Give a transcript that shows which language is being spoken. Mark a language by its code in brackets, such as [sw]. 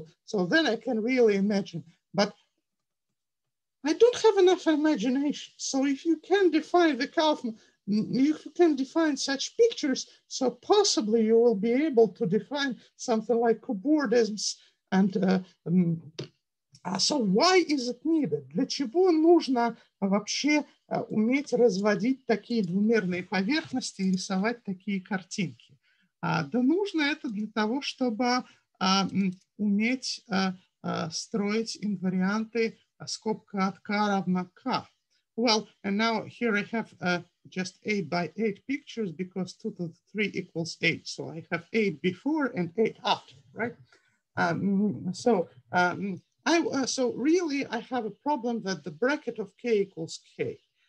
[en] So then I can really imagine, but I don't have enough imagination. So if you can define the Kaufman, if you can define such pictures, so possibly you will be able to define something like cobordisms. And so why is it needed? [ru] Для чего нужно вообще уметь разводить такие двумерные поверхности и рисовать такие картинки? Да нужно это для того, чтобы уметь строить инварианты скобка от k равна k. [en] Well, and now here I have just 8x8 pictures because 2 to the 3 equals 8. So I have 8 before and 8 after, right? So really I have a problem that the bracket of k equals k.